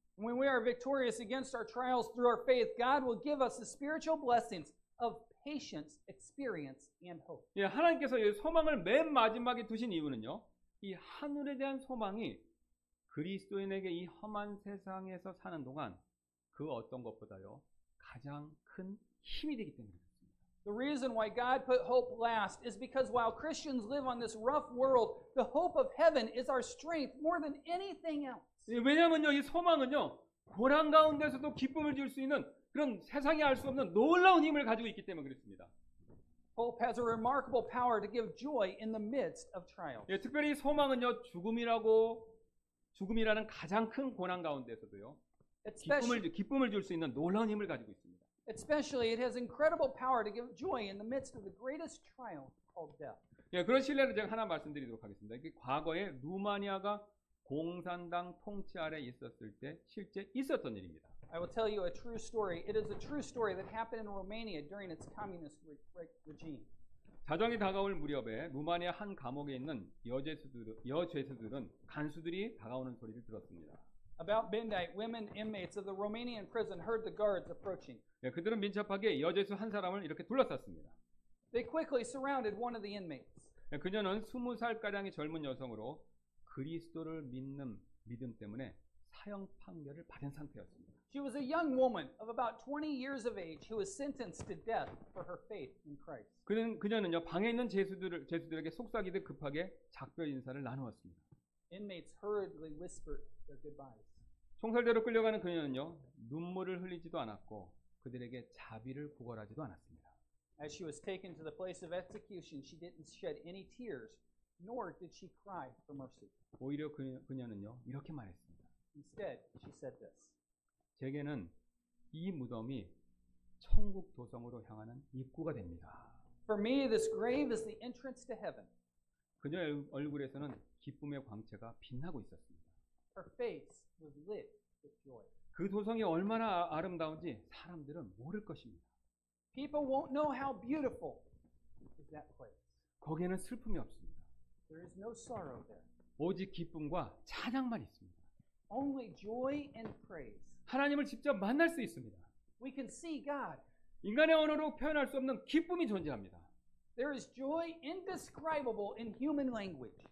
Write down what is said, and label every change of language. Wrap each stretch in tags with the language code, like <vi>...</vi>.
<en>When we are victorious against our trials through our faith, God will give us the spiritual blessings of patience, experience, and hope.</en> <ko>예, 하나님께서 이 소망을 맨 마지막에 두신 이유는요. 이 하늘에 대한 소망이 그리스도인에게 이 험한 세상에서 사는 동안 그 어떤 것보다요 가장 큰 힘이 되기 때문입니다.</ko> <en>The reason why God put hope last is because while Christians live on this rough world, the hope of heaven is our strength more than anything else.</en> <ko>예, 왜냐면요, 이 소망은요 고난 가운데서도 기쁨을 줄 수 있는 그런 세상에 알 수 없는 놀라운 힘을 가지고 있기 때문에 그렇습니다.</ko> <en>Hope has a remarkable power to give joy in the midst of trials.</en> <ko>예, 특별히 소망은요 죽음이라고 죽음이라는 가장 큰 고난 가운데서도요 기쁨을 줄 수 있는 놀라운 힘을 가지고 있습니다.</ko> <en>Especially, it has incredible power to give joy in the midst of the greatest trial called death.</en> <ko>예, 그런 신뢰를 제가 하나 말씀드리도록 하겠습니다. 이게 과거에 루마니아가 공산당 통치 아래 있었을 때 실제 있었던 일입니다.</ko> <en>I will tell you a true story. It is a true story that happened in Romania during its communist regime.</en> <ko>자정이 다가올 무렵에 루마니아 한 감옥에 있는 여죄수들은 간수들이 다가오는 소리를 들었습니다.</ko> <en>About midnight, women inmates of the Romanian prison heard the guards approaching.</en> <ko>예, 그들은 민첩하게 여죄수 한 사람을 이렇게 둘러쌌습니다.</ko> <en>They quickly surrounded one of the inmates.</en> <ko>예, 그녀는 20살가량의 젊은 여성으로 그리스도를 믿는 믿음 때문에 사형 판결을 받은 상태였습니다.</ko> <en>She was a young woman of about 20 years of age who was sentenced to death for her faith in Christ.</en> <ko>그녀는요 방에 있는 제수들에게 속삭이듯 급하게 작별 인사를 나누었습니다.</ko> <en>Inmates hurriedly whispered their goodbyes.</en> <ko>총살대로 끌려가는 그녀는요 눈물을 흘리지도 않았고 그들에게 자비를 구걸하지도 않았습니다.</ko> <en>As she was taken to the place of execution, she didn't shed any tears, nor did she cry for mercy.</en> <ko>오히려 그녀는요 이렇게 말했습니다.</ko> <en>Instead, she said this.</en> <ko>제게는 이 무덤이 천국 도성으로 향하는 입구가 됩니다.</ko> <en>For me, this grave is the entrance to heaven.</en> <ko>그녀의 얼굴에서는 기쁨의 광채가 빛나고 있었습니다.</ko> <en>Her face was lit with joy.</en> <ko>그 도성이 얼마나 아름다운지 사람들은 모를 것입니다.</ko> <en>People won't know how beautiful is that place.</en> <ko>거기에는 슬픔이 없습니다.</ko> <en>There is no sorrow there.</en> <ko>오직 기쁨과 찬양만 있습니다.</ko> <en>Only joy and praise.</en> <ko>하나님을 직접 만날 수 있습니다.</ko> <en>We can see God.</en> <ko>인간의 언어로 표현할 수 없는 기쁨이 존재합니다.</ko> <en>There is joy indescribable in human language.</en>